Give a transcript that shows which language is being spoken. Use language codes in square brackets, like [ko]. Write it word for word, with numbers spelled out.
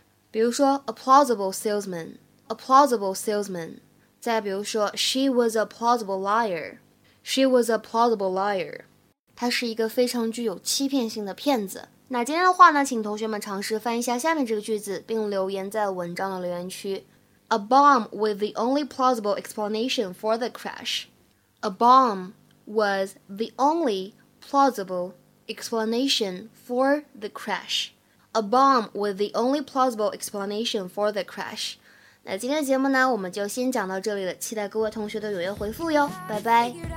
[zh] 比如说 [en] a plausible salesman, a plausible salesman. [zh] 再比如说 [en] she was a plausible liar, she was a plausible liar. [zh] 她是一个非常具有欺骗性的骗子。那今天的话呢，请同学们尝试翻译一下下面这个句子，并留言在文章的留言区。 [en] A bomb was the only plausible explanation for the crash. A bomb was the only plausible explanation for the crash. A bomb was the only plausible explanation for the crash. [zh] 那今天的节目呢，我们就先讲到这里了，期待各位同学的踊跃回复哟，拜拜。